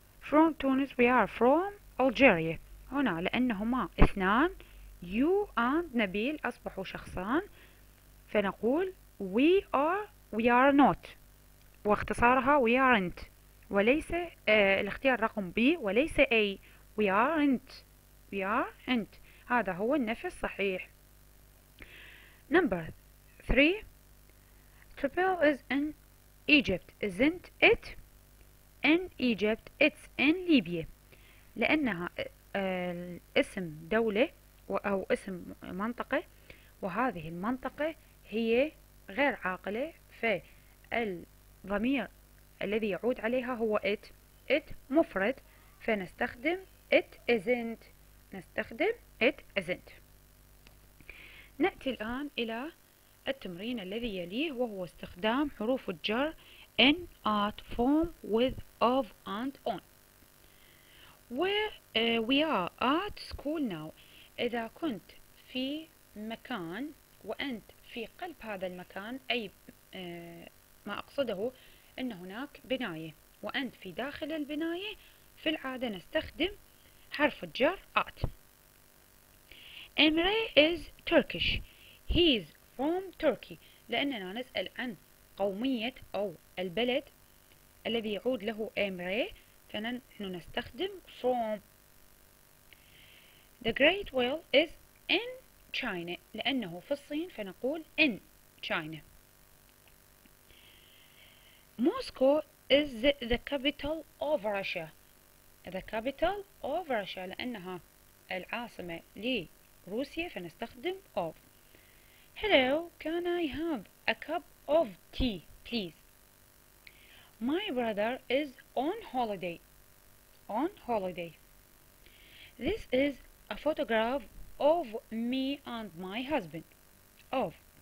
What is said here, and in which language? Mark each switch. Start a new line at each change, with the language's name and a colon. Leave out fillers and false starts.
English: From Tunis, we are from Algeria.
Arabic: هنا لأنهما اثنان،
English: you and Nabil
Arabic: أصبحوا شخصان، فنقول
English: we are not. واختصارها we aren't.
Arabic: وليس الاختيار رقم B وليس A.
English: We aren't.
Arabic: هذا هو النفي الصحيح.
English: Number 3. Tripel is in Egypt, isn't it? In Egypt, it's in Libya.
Arabic: لأنها اسم دولة أو اسم منطقة، وهذه المنطقة هي غير عاقلة، فالضمير الذي يعود عليها هو it.
English: It
Arabic: مفرد، فنستخدم
English: it isn't. نستخدم it isn't.
Arabic: نأتي الآن إلى التمرين الذي يليه، وهو استخدام حروف الجر
English: in, at, from, with, of, and on. We are at school now.
Arabic: إذا كنت في مكان وأنت في قلب هذا المكان، أي ما أقصده أن هناك بناية وأنت في داخل البناية، في العادة نستخدم حرف الجر at.
English: Emre is Turkish. He's from Turkey.
Arabic: لأننا نسأل عن قومية أو البلد الذي يعود له Emre، فنحن نستخدم from.
English: The Great Wall is in China.
Arabic: لأنه في الصين، فنقول
English: in China. Moscow is the capital of Russia. The capital of Russia.
Arabic: لأنها العاصمة لروسيا، فنستخدم of.
English: Hello, can I have a cup of tea, please? My brother is on holiday. On holiday. This is a photograph of me and my husband. Of.